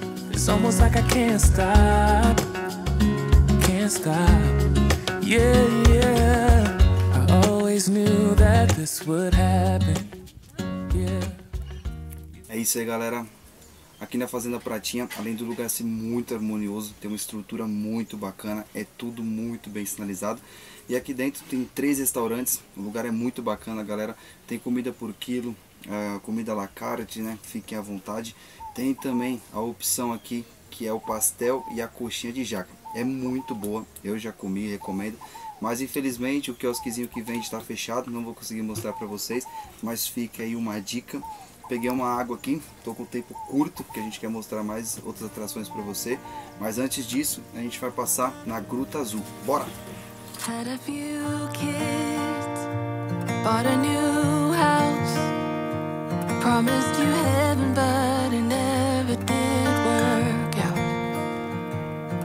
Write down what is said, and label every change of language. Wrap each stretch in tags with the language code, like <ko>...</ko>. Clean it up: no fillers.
<en>It's almost like I can't stop, can't stop, yeah, yeah. I always knew that this would happen, yeah.</en> <pt>É isso aí, galera. Aqui na Fazenda Pratinha, além do lugar ser muito harmonioso, tem uma estrutura muito bacana, é tudo muito bem sinalizado. E aqui dentro tem 3 restaurantes, o lugar é muito bacana, galera. Tem comida por quilo, comida à la carte, né? Fiquem à vontade. Tem também a opção aqui, que é o pastel e a coxinha de jaca. É muito boa, eu já comi, recomendo. Mas infelizmente o quiosquezinho que vende está fechado, não vou conseguir mostrar para vocês. Mas fica aí uma dica. Peguei uma água aqui, tô com o tempo curto, porque a gente quer mostrar mais outras atrações para você. Mas antes disso, a gente vai passar na Gruta Azul. Bora!</pt> <en>Had a few kids, bought a new house, promised you heaven, but it never did work out.</en>